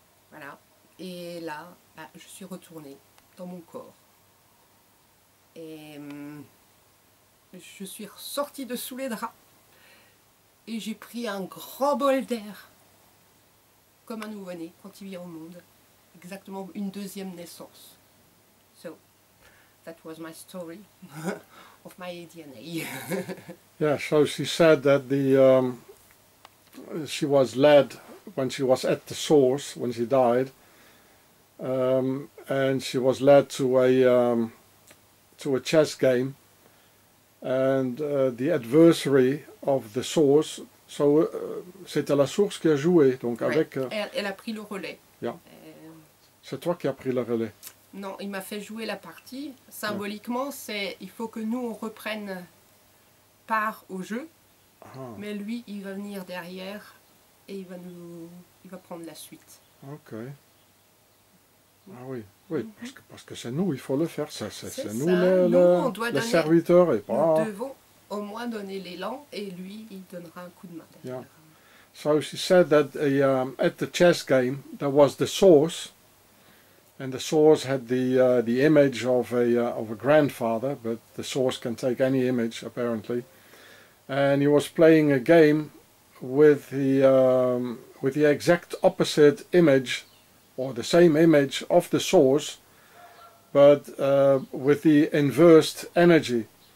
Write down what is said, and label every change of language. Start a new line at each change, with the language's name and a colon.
French: Voilà. Et là, je suis retournée dans mon corps. Et je suis sortie de sous les draps. Et j'ai pris un grand bol d'air, comme un nouveau-né quand il vient au monde. Exactement une deuxième naissance.
English: So, that was my story of my DNA. Yeah, so she said that she was led when she was at the source, when she died. And she was led to a chess game. And the adversary of the source, so
French: c'était la source qui a joué, donc
English: right.
French: Avec. Elle a pris le relais. Yeah. C'est toi qui as pris le relais. Non, il m'a fait jouer la partie. Symboliquement, yeah. C'est il faut que nous on reprenne part au jeu, mais lui, il va venir derrière et il va prendre la suite. Ok. Ah oui, oui, parce que c'est nous, il faut le faire, c'est nous le serviteur. Et pas... Nous devons au moins donner l'élan et lui, il donnera un coup de main.
English: Yeah. So she said that at the chess game, there was the source, and the source had the image of a grandfather, but the source can take any image, apparently. And he was playing a game with the exact opposite image, or the same image of the source, but with the inversed energy.